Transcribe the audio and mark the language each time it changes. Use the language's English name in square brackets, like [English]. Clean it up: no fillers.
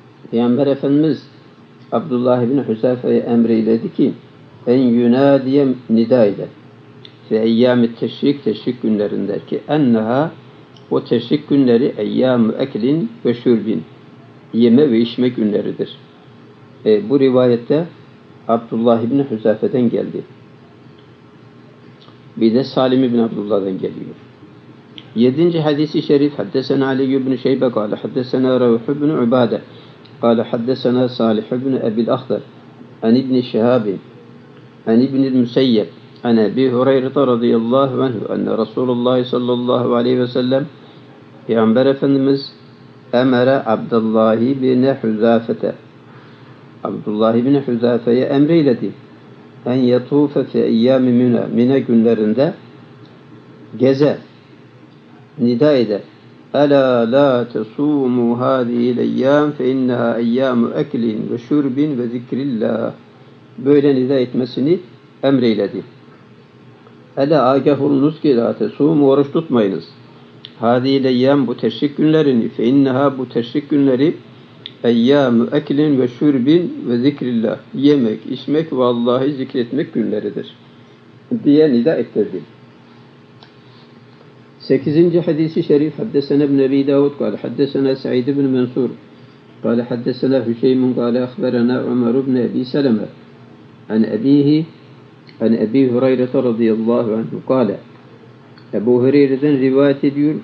[Turkish] Peygamber Efendimiz Abdullah ibn Huzafa'ya emreyledi ki en yunadiye nida ile ve eyyam-ı teşrik, teşrik günlerindeki enneha o teşrik günleri eyyam-ı eklin ve şürbin yeme ve içme günleridir. Bu rivayette Abdullah ibn-i Huzafe'den geldi. Bir de Salim ibn-i Abdullah'dan geliyor. Yedinci hadisi şerif haddesen Ali ibn-i Şeybe kâle haddesen Revuh ibn-i Ubâde kâle haddesen Salih ibn-i Ebil-Ahtar en ibn-i Şehabin [Arabic] عن ابن المسيب عن أبي هريرة رضي الله عنه أن رسول الله صلى الله عليه وسلم [Turkish] Peygamber Efendimiz [Arabic] أمر عبد الله بن حذافة عبد الله بن حذافة'ye [Turkish] emreyledi [Arabic] أن يطوف في أيام منى منى [Turkish] günlerinde geze nida eder [Arabic] ألا لا تصوموا هذه الأيام فإنها أيام أكل وشرب وذكر الله [Turkish] böyle nida etmesini emreyledi. Ela agah olunuz ki la tesûmû oruç tutmayınız. Hâdî leyyem bu teşrik günlerini fe innehâ bu teşrik günleri [Arabic] اَيَّامُ اَكْلٍ وَشُرْبٍ وَذِكْرِ اللّٰهِ [Turkish] Yemek, içmek ve Allah'ı zikretmek günleridir. Diye nida ettirdi. Sekizinci hadisi şerif, [Arabic] حَدَّسَنَا بْنَ اَبِي دَاوُدُ قَالَ حَدَّسَنَا سَعِيدِ بْنِ مَنْصُورِ قَالَ حَدَّسَنَا هُشَيْمٌ قَالَ اَخْبَرَنَا عُمَرُ بْنِ اَبِي سَلَمَا عَنْ اَبِيهِ عَنْ اَبِي هُرَيْرَةَ رَضِيَ اللّٰهُ عَنْهُ قَالَ [Turkish] Ebu Hureyre'den rivayet ediyor.